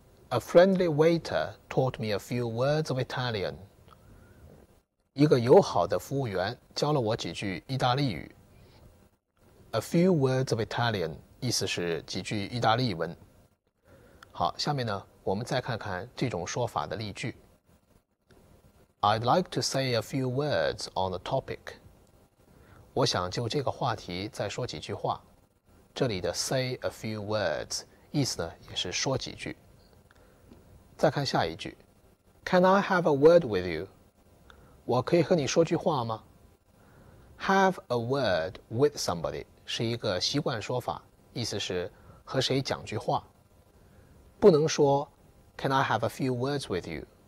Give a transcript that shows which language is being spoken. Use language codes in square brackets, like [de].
[en] A friendly waiter taught me a few words of Italian。 [zh] 一个友好的服务员教了我几句意大利语。 [en] A few words of Italian [zh] 意思是几句意大利文。好，下面呢我们再看看这种说法的例句。 [en] I'd like to say a few words on the topic. [zh] 我想就这个话题再说几句话。这里的 [en] say a few words [zh] 意思呢也是说几句。再看下一句。 [en] Can I have a word with you? [zh] 我可以和你说句话吗？ [en] Have a word with somebody [zh] 是一个习惯说法，意思是和谁讲句话，不能说 [en] Can I have a few words with you?